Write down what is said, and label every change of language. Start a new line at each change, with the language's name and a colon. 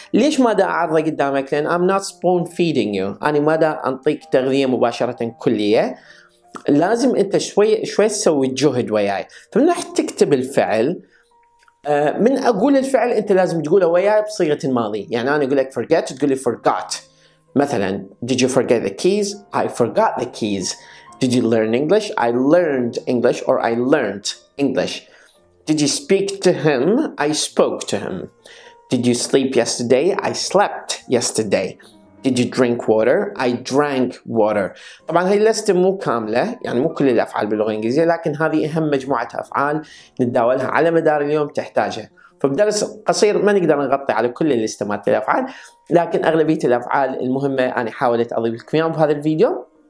Arabic: ليش ما دا أعرضه قدامك؟ لأن
English: I'm not spoon feeding you.
Arabic: أنا ما دا أنطيك تغذية مباشرة كلية. لازم أنت شوي تسوي جهد وياي. فمن راح تكتب الفعل؟ من أقول الفعل أنت لازم تقوله وياي بصيغة الماضي. يعني أنا أقول لك forget تقولي forgot.
English: مثلاً did you forget the keys? I forgot the keys. Did you learn English? I learned English or I learned English. Did you speak to him? I spoke to him. Did you sleep yesterday? I slept yesterday. Did you drink water? I drank water.
Arabic: طبعا هاي لست مو كاملة يعني مو كل الأفعال باللغة الإنجليزية لكن هذه أهم مجموعة أفعال نتداولها على مدار اليوم تحتاجها. فبدرس قصير ما نقدر نغطي على كل الاستمات الأفعال لكن أغلبية الأفعال المهمة أنا حاولت أضيف لكم اياها بهذا الفيديو.